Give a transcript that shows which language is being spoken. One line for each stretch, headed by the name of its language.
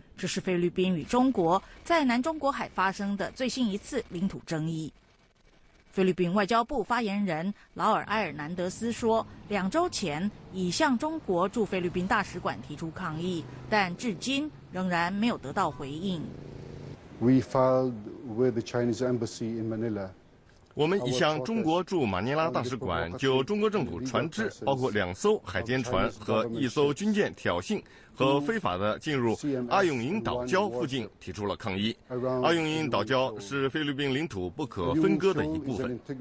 Chinese: 这是菲律宾与中国在南中国海发生的最新一次领土争议。菲律宾外交部发言人劳尔埃尔南德斯说，两周前已向中国驻菲律宾大使馆提出抗议，但至今仍然没有得到回应。
English: We filed with the Chinese embassy in Manila.
Chinese: 我们已向中国驻马尼拉大使馆就中国政府船只，包括两艘海监船和一艘军舰挑衅和非法的进入阿永营岛礁附近提出了抗议。阿永营岛礁是菲律宾领土不可分割的一部分。